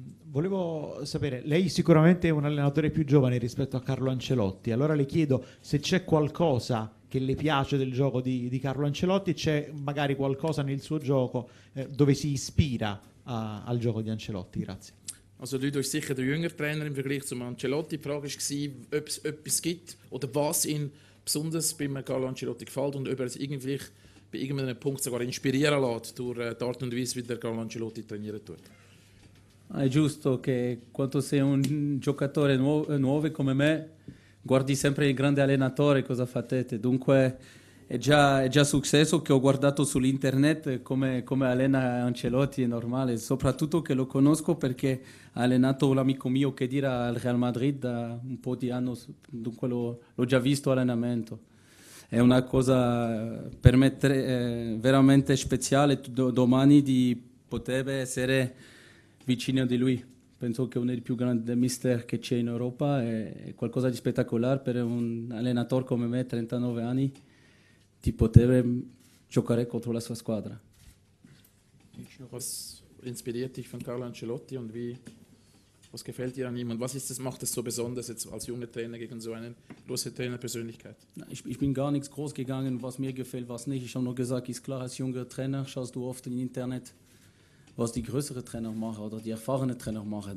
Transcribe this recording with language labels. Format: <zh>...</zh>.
<it>Volevo sapere, lei sicuramente è un allenatore più giovane rispetto a Carlo Ancelotti, allora le chiedo se c'è qualcosa che le piace del gioco di Carlo Ancelotti, c'è magari qualcosa nel suo gioco dove si ispira al gioco di Ancelotti, grazie.</it> <de>Also Ludo ist sicher der jüngere Trainer im Vergleich zu Ancelotti. Die Frage war, ob es etwas gibt oder was ihm besonders bei Carlo Ancelotti gefällt und ob er es irgendwie bei irgendeinem Punkt sogar inspirieren lässt durch die Art und Weise, wie der Carlo Ancelotti trainieren tut.</de> <it>È giusto che quando sei un giocatore nuovo come me, guardi sempre il grande allenatore cosa fate. Dunque è già successo che ho guardato sull'internet come allena Ancelotti, è normale, soprattutto che lo conosco perché ha allenato un amico mio che dirà al Real Madrid da un po' di anni, dunque l'ho già visto allenamento. È una cosa per me veramente speciale, domani di poter essere vicino di lui. Penso che uno dei più grandi mister che c'è in Europa è qualcosa di spettacolare per un allenatore come me, 39 anni, di poter giocare contro la sua squadra.</it> <de>Cosa inspiriert dich von Carlo Ancelotti und wie was gefällt dir an ihm und was ist das macht es so besonders jetzt als junger Trainer gegen so eine große Trainerpersönlichkeit? Ich bin gar nichts groß gegangen, was mir gefällt, was nicht. Ich habe nur gesagt, ist klar, als junger Trainer schaust du oft im Internet, was die größeren Trainer machen oder die erfahrenen Trainer machen.</de>